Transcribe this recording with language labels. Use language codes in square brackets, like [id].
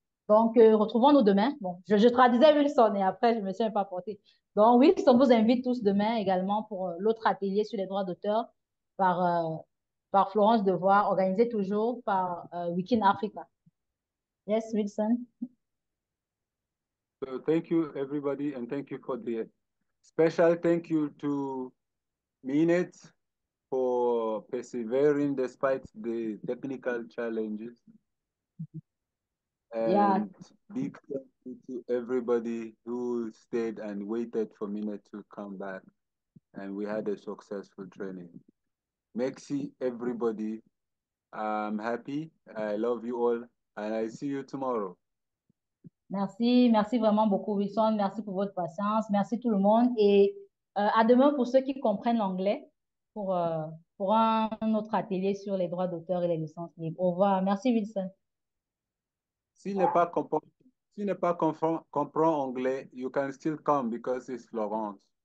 [fr] Donc, retrouvons-nous demain. Bon, je traduisais Wilson et après, je ne me suis pas portée. Donc, Wilson vous invite tous demain également pour l'autre atelier sur les droits d'auteur par Florence Devoir, organisé toujours par Wikin Africa. [en] Yes, Wilson. So thank you everybody and thank you for the special thank you to Minet for persevering despite the technical challenges. Yeah. And big thank you to everybody who stayed and waited for Minet to come back and we had a successful training. Merci everybody. I'm happy. I love you all and I see you tomorrow. [fr] Merci, merci vraiment beaucoup, Wilson. Merci pour votre patience. Merci tout le monde. Et à demain pour ceux qui comprennent l'anglais pour un autre atelier sur les droits d'auteur et les licences libres. Au revoir. Merci, Wilson. S'il n'est pas comprend anglais, [en] you can still come because it's Florence.